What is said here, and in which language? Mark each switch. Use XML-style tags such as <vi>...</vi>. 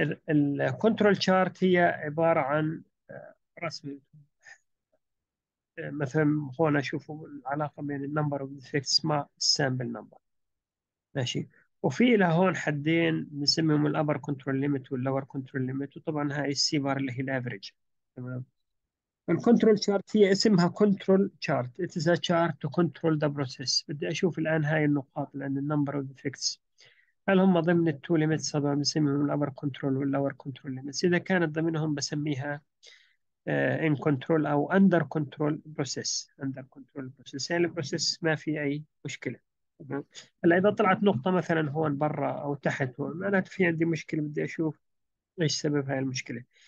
<ar>الكنترول شارت هي عبارة عن رسم، مثلا هون أشوفوا العلاقة بين النمبر والديفكت اسمها السامبل نمبر، ماشي. وفي له هون حدين نسميهم الأبر كنترول ليميت واللور كنترول ليميت، وطبعا هاي السي بار اللي هي الأفريج، تمام. الكنترول شارت هي اسمها كنترول شارت،</ar> <en>it is a chart to control the process.</en> <ar>بدي اشوف الان هاي النقاط اللي عند النمبر اوف ديفكتس، هل هم ضمن التو ليميتس هذول بنسميهم الابر كنترول واللور كنترول ليميتس؟ اذا كانت ضمنهم بسميها ان كنترول او اندر كنترول بروسيس. اندر كنترول بروسيس يعني البروسيس ما في اي مشكله. هلا اذا طلعت نقطه مثلا هون برا او تحت هون، معناته في عندي مشكله، بدي اشوف ايش سبب هاي المشكله.</ar>